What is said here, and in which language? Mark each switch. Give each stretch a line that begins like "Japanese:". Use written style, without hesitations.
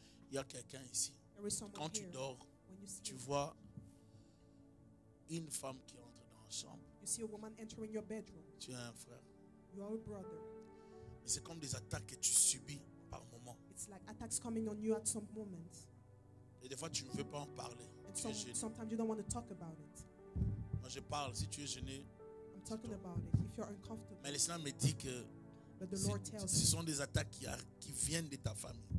French: Il y a quelqu'un ici. Quand tu dors, tu vois une femme qui entre dans la chambre.
English: You see a woman entering your bedroom.
French: Tu es un frère.
English: You are a brother.
French: Mais c'est comme des attaques que tu subis par moment.
English: It's like attacks coming on you at some moment.
French: Et des fois, tu ne veux pas en parler. Tu es gêné.
English: Sometimes you don't want to talk about it.
French: Moi, je parle. Si tu es gêné,
English: I'm talking about it. If you're uncomfortable.
French: Mais l'Islam me dit que ce sont des attaques qui viennent de ta famille.